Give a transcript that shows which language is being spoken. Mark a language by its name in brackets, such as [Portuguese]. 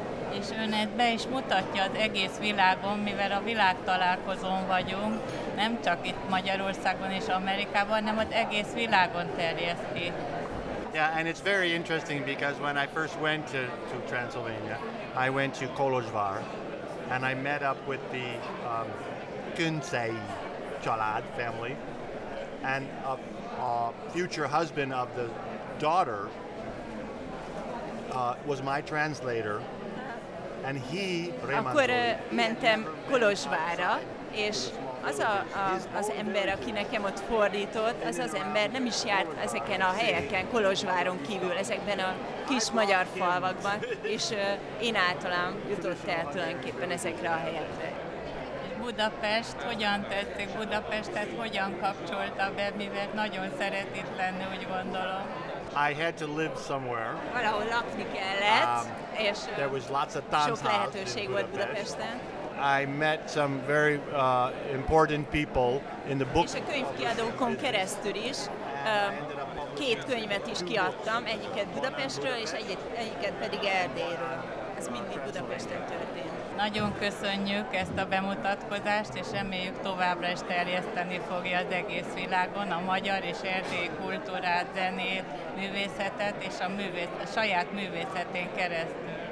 [Hungarian] És ön ezt be is mutatja az egész világon, mivel a világtalálkozón vagyunk, nem csak itt Magyarországon és Amerikában, hanem az egész világon terjeszti. [English] Yeah, and it's very interesting because when I first went to Transylvania, I went to Kolozsvár, and I met up with the Kuncei család family, and a future husband of the daughter was my translator, and he. [Hungarian] Akkor mentem Kolozsvára, és az az ember, aki nekem ott fordított, az ember nem is járt ezeken a helyeken, Kolozsváron kívül, ezekben a kis magyar falvakban, és én általam jutott el tulajdonképpen ezekre a helyekre. Budapest, hogyan tetszik Budapestet, hogyan kapcsolta be, mivel nagyon szeret itt lenni, úgy gondolom. [English] I had to live somewhere. [Hungarian] Valahol lakni kellett, és [English] there was lots of tánchouse [Hungarian] sok lehetőség volt Budapesten. [English] I met some very important people in the book. [Hungarian] És a könyvkiadókon keresztül is két könyvet is kiadtam, egyiket Budapestről és egyiket pedig Erdélyről. Ez mindig Budapesten történt. Nagyon köszönjük ezt a bemutatkozást, és reméljük továbbra is terjeszteni fogja az egész világon a magyar és erdélyi kultúrát, zenét, művészetet és a saját művészetén keresztül.